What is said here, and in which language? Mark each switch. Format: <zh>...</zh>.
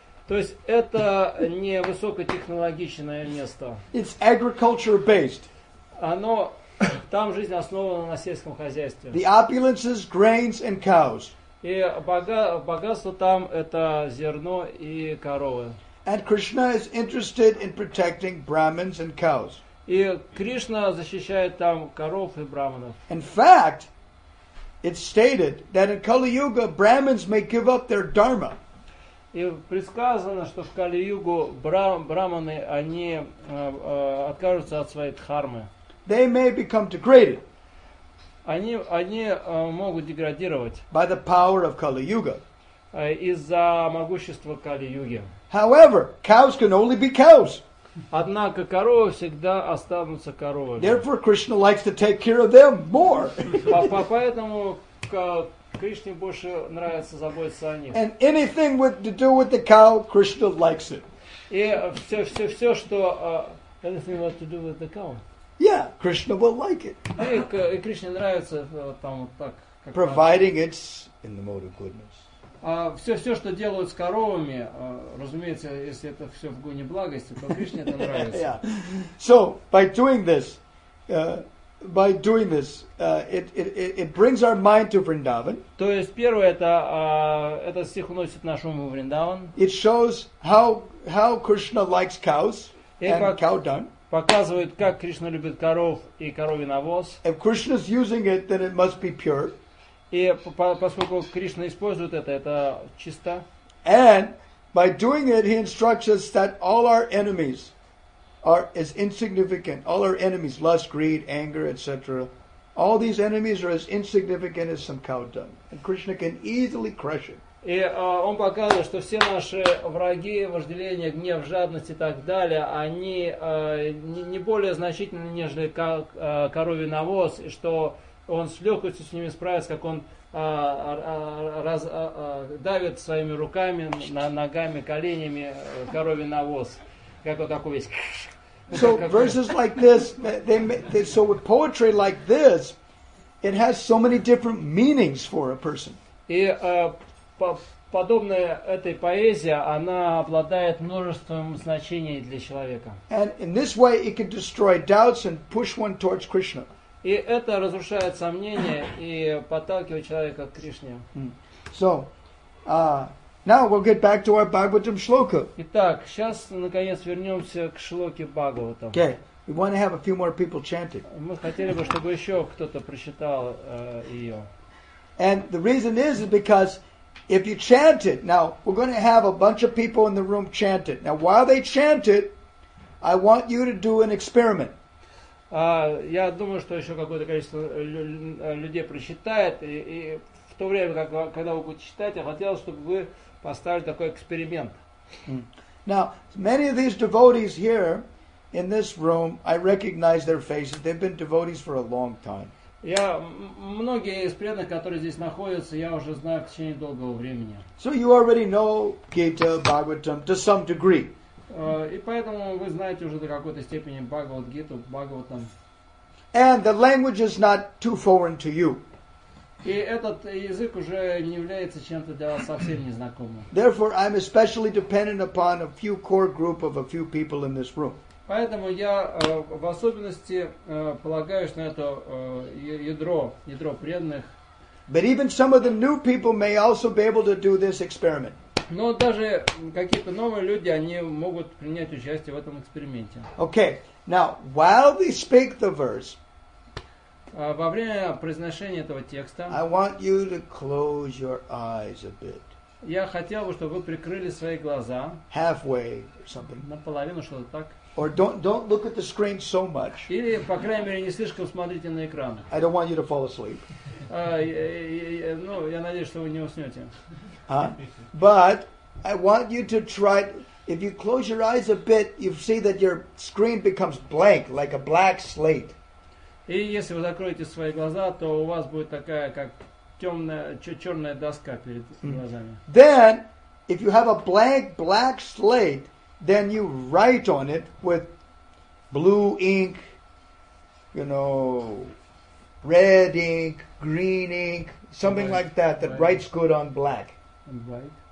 <ru>То есть это не высокотехнологичное место.</ru> <en>It's agriculture based.</en> <ru>Оно там жизнь основана на сельском хозяйстве.</ru> <en>The opulences, grains and cows.</en> <ru>И богатство там это зерно и коровы.</ru> <en>And Krishna is interested in protecting Brahmins and cows.</en> <ru>И Кришна защищает там коров и брахманов.</ru> <en>In fact, it's stated that in Kali-Yuga Brahmins may give up their dharma.</en> <ru>И предсказано, что в Кали-Югу браманы, они откажутся от своей дхармы.</ru> <en>They may become degraded.</en> <ru>Они могут деградировать.</ru> <en>By the power of Kali-Yuga.</en> <ru>Из-за могущества Кали-Юги.</ru> <en>However, cows can only be cows.</en> <ru>Однако коровы всегда останутся коровами.</ru> <en>Therefore, Krishna likes to take care of them more.</en> <ru>Поэтому Кришне больше нравится заботиться о них.</ru> <en>And anything with to do with the cow, Krishna likes it.</en> <ru>И все, что</ru> <en>anything with to do with the cow. Yeah, Krishna will like it.</en> <ru>И Кришне нравится там вот так.</ru> <en>Providing it's in the mode of goodness.</en> <ru>А все, что делают с коровами, разумеется, если это все в гуне благости, то Кришне это нравится.</ru> <en>Yeah. So by doing this, it brings our mind to Vrindavan.</en> <ru>То есть первое это этот стих уносит наш ум в Вриндаван.</ru> <en>It shows how Krishna likes cows and cow dung.</en> <ru>Показывает, как Кришна любит коров и коровий навоз.</ru> <en>If Krishna's using it, then it must be pure.</en> <ru>И поскольку Кришна использует это чисто.</ru> <en>And by doing it, he instructs us that all our enemies are as insignificant. All our enemies, lust, greed, anger, etc. All these enemies are as insignificant as some cow dung. And Krishna can easily crush it.</en> <ru>И он показывает, что все наши враги, вожделение, гнев, жадность и так далее, они не более значительны, нежели коровий навоз, и что он с легкостью с ними справится, как он давит своими руками, ногами, коленями коровий навоз. Как вот такой весь...</ru> <en>So verses like this, so with poetry like this, it has so many different meanings for a person.</en> <ru>И подобная этой поэзия, она обладает множеством значений для человека.</ru> <en>And in this way it can destroy doubts and push one towards Krishna.</en> <ru>И это разрушает сомнения и подталкивает человека к Кришне.</ru> <en>So, now we'll get back to our Bhagavatam shloka.</en> <ru>Итак, сейчас наконец вернемся к шлоке Бхагаватам.</ru> <en>Okay, we want to have a few more people chant it.</en> <ru>Мы хотели бы, чтобы еще кто-то прочитал ее.</ru> <en>And the reason is because if you chant it, now we're going to have a bunch of people in the room chant it. Now while they chant it, I want you to do an experiment.</en> <ru>Я думаю, что еще какое-то количество людей прочитает, и в то время, когда вы будете читать, я хотел, чтобы вы поставили такой эксперимент.</ru> <en>Now, many of these devotees here in this room, I recognize their faces. They've been devotees for a long time.</en> <ru>Я многие из преданных, которые здесь находятся, я уже знаю в течение долгого времени.</ru> <en>So you already know Gita, Bhagavatam to some degree.</en> <ru>И поэтому вы знаете уже до какой-то степени Бхагават Гиту, Бхагаватам.</ru> <en>And the language is not too foreign to you.</en> <ru>И этот язык уже не является чем-то для вас совсем незнакомым.</ru> <en>Therefore, I'm especially dependent upon a few core group of a few people in this room.</en> <ru>Поэтому я в особенности полагаюсь на это ядро преданных.</ru> <en>But even some of the new people may also be able to do this experiment.</en> <ru>Но даже какие-то новые люди, они могут принять участие в этом эксперименте.</ru> <en>Okay, now, while they speak the verse,</en> <ru>во время произношения этого текста,</ru> <en>I want you to close your eyes a bit.</en> <ru>Я хотел бы, чтобы вы прикрыли свои глаза.</ru> <en>Halfway or something.</en> <ru>Наполовину что-то так.</ru> <en>Or don't look at the screen so much.</en> <ru>Или, по крайней мере, не слишком смотрите на экран.</ru> <en>I don't want you to fall asleep.</en> <ru>Я надеюсь, что вы не уснете.</ru> <en>But I want you to try, if you close your eyes a bit, you see that your screen becomes blank, like a black slate.</en> <ru>И если вы закроете свои глаза, то у вас будет такая, как темная, черная доска перед глазами.</ru> <en>Then, if you have a blank black slate, then you write on it with blue ink, you know, red ink, green ink, something like that, that writes good on black. White.</en>